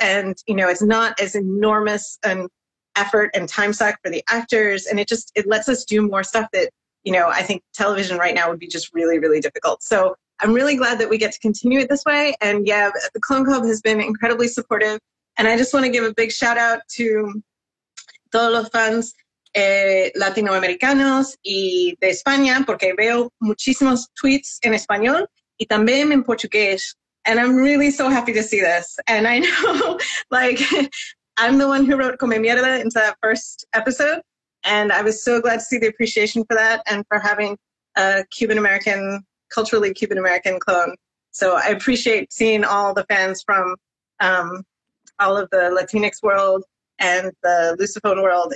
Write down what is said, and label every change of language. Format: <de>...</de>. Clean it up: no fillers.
<en>And, you know, it's not as enormous an effort and time suck for the actors. And it lets us do more stuff that, you know, I think television right now would be just really, really difficult. So I'm really glad that we get to continue it this way. And yeah, the Clone Club has been incredibly supportive. And I just want to give a big shout out to</en> <es>todos los fans latinoamericanos y de España, porque veo muchísimos tweets en español y también en portugués.</es> <en>And I'm really so happy to see this. And I know, like, I'm the one who wrote Come Mierda into that first episode. And I was so glad to see the appreciation for that and for having a Cuban-American, culturally Cuban-American clone. So I appreciate seeing all the fans from all of the Latinx world and the Lusophone world.</en>